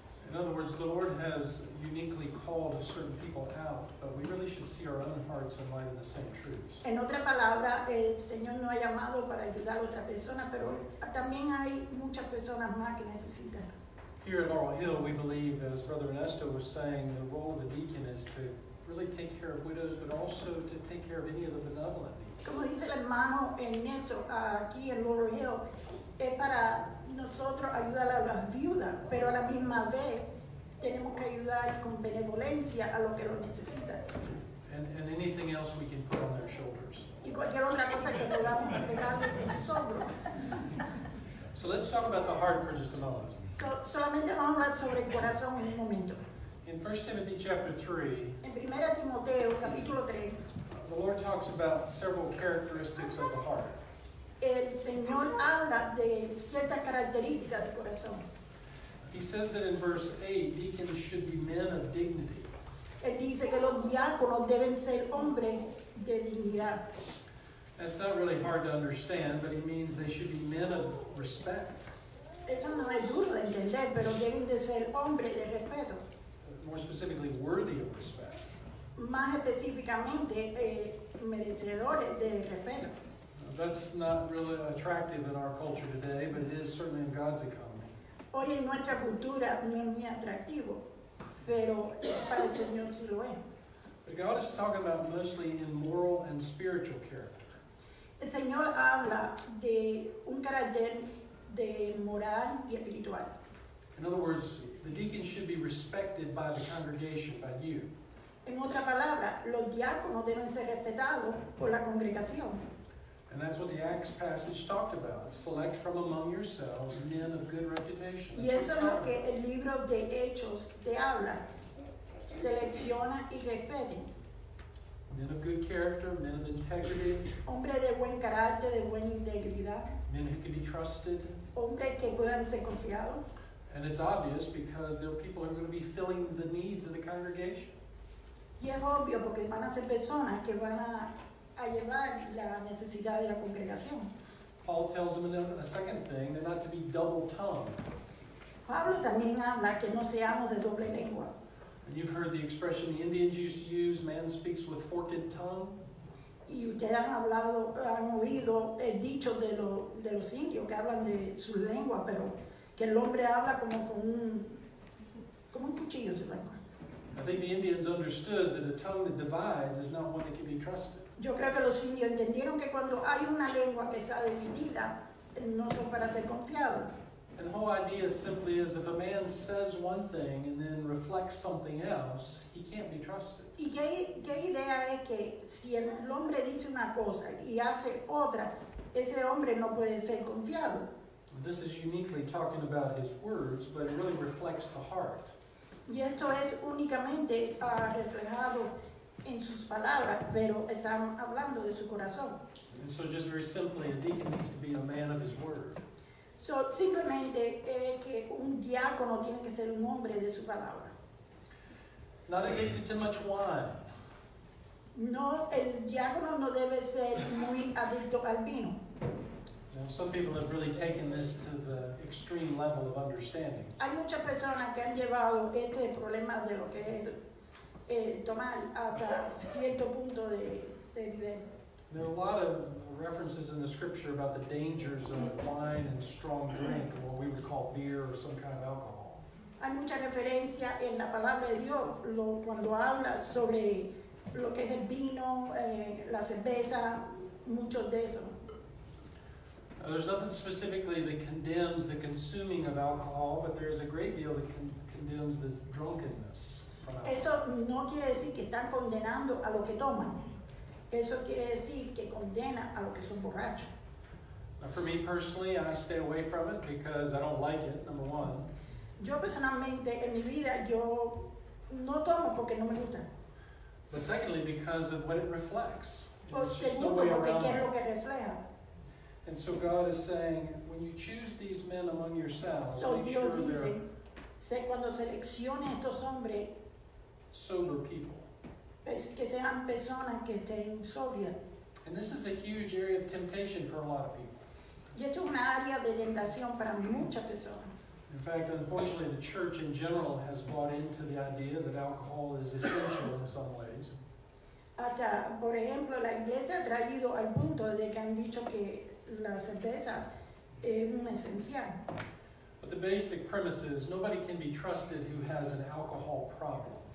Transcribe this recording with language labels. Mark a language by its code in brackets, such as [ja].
[en] In other words, the Lord has uniquely called a certain people out, but we really should see our own hearts in light of the same truths. [es] En otra palabra, el Señor no ha llamado para ayudar a otra persona, pero también hay muchas personas más que necesitan. [en] Here at Laurel Hill, we believe, as Brother Ernesto was saying, the role of the deacon is to really take care of widows, but also to take care of any of the benevolent needs. [es] Como dice el hermano Ernesto aquí en Laurel Hill, es para nosotros ayudar a las viudas, pero a la misma vez tenemos que ayudar con benevolencia a los que lo necesitan. [en] And anything else we can put on their shoulders. [es] Y cualquier otra cosa que podamos pegarles en sus hombros. [en] So let's talk about the heart for just a moment. [es] Solamente vamos a hablar sobre el corazón en un momento. [en] In 1 Timothy chapter 3, [es] en 1 Timoteo capítulo 3, [en] the Lord talks about several characteristics of the heart. [es] El Señor habla de ciertas características del corazón. [en] He says that in verse 8, deacons should be men of dignity. [es] Él dice que los diáconos deben ser hombres de dignidad. [en] That's not really hard to understand, but he means they should be men of respect. [es] Eso no es duro de entender, pero deben de ser hombres de respeto. [en] More specifically, worthy of respect. [es] Más específicamente, merecedores de respeto. [en] That's not really attractive in our culture today, but it is certainly in God's economy. [es] Hoy en nuestra cultura no es muy atractivo, pero para el Señor sí lo es. [en] But God is talking about mostly in moral and spiritual character. [es] El Señor habla de un carácter de moral y espiritual. [en] In other words, the deacon should be respected by the congregation, by you. [es] En otra palabra, los diáconos deben ser respetados por la congregación. [en] And that's what the Acts passage talked about. Select from among yourselves men of good reputation. [es] Y eso es lo que el libro de Hechos te habla. Selecciona y respete. [en] Men of good character, men of integrity. [es] Hombre de buen carácter, de buena integridad. [en] Men who can be trusted. [es] Hombre que puedan ser confiado. [en] And it's obvious because there are people who are going to be filling the needs of the congregation. [es] Y es obvio porque van a ser personas que van a llevar la necesidad de la congregación. [en] Paul tells them a second thing, they're not to be double-tongued. [es] Pablo también habla que no seamos de doble lengua. [en] And you've heard the expression the Indians used to use, man speaks with forked tongue. [es] Y ustedes han oído el dicho de los indios que hablan de su lengua, pero que el hombre habla como con un cuchillo de lengua. [en] I think the Indians understood that a tongue that divides is not one that can be trusted. [es] Yo creo que los indios entendieron que cuando hay una lengua que está dividida, no son para ser confiados. [en] And the whole idea simply is if a man says one thing and then reflects something else, he can't be trusted. [es] Y qué idea es que si el hombre dice una cosa y hace otra, ese hombre no puede ser confiado. [en] This is uniquely talking about his words, but it really reflects the heart. [es] Y esto es únicamente reflejado en sus palabras, pero están hablando de su corazón. [en] And so just very simply, a deacon needs to be a man of his word. [es] So simplemente es que un diácono tiene que ser un hombre de su palabra. [en] Not addicted to much wine. [es] No, el diácono no debe ser muy adicto al vino. [en] Now, some people have really taken this to the extreme level of understanding. [es] Hay muchas personas que han llevado este problema de lo que es tomar hasta cierto punto de nivel. [en] There are a lot of references in the scripture about the dangers of wine and strong drink, or what we would call beer or some kind of alcohol. [es] Hay mucha referencia en la palabra de Dios cuando habla sobre lo que es el vino, la cerveza, muchos de eso. [en] There's nothing specifically that condemns the consuming of alcohol, but there's a great deal that condemns the drunkenness from alcohol. [es] Eso no quiere decir que están condenando a lo que toman. Eso quiere decir que condena a lo que son borrachos. [en] Now, for me personally, I stay away from it because I don't like it, number one. [es] Yo personalmente, en mi vida, yo no tomo porque no me gusta. [en] But secondly, because of what it reflects. [es] Segundo, porque qué es lo que refleja. [en] And so God is saying, when you choose these men among yourselves, so make [es] Dios [en] sure [es] dice, [en] they're [es] estos [en] sober people. [es] Que sean personas que estén sobrias. [en] And this is a huge area of temptation for a lot of people. [es] Y esto es una área de tentación para muchas personas. [en] In fact, unfortunately, the church in general has bought into the idea that alcohol is essential in some ways. [es] Hasta, por ejemplo, la iglesia ha traído al punto de que han dicho que la cerveza es un esencial. [en] But the basic premise is nobody can be trusted who has an alcohol problem.